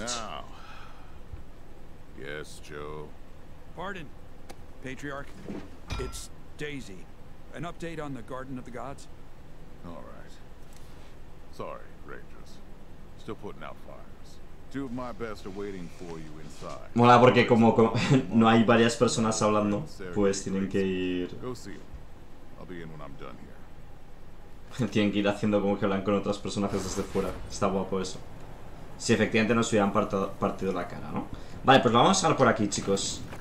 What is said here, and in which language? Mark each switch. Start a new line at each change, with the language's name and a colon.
English: Now. Yes, Joe. Pardon, Patriarch. It's Daisy. An update on the Garden of the Gods? All right. Sorry, Rangers. Still putting out fires. Two of my best are waiting for you inside.
Spanish: Mola, porque como no hay varias personas hablando, pues tienen que ir.
English: Go see them. I'll be in when I'm done here.
Spanish: Tienen que ir haciendo como que hablan con otras personajes desde fuera. Está guapo eso. Si efectivamente nos hubieran partido la cara, ¿no? Vale, pues lo vamos a dejar por aquí, chicos.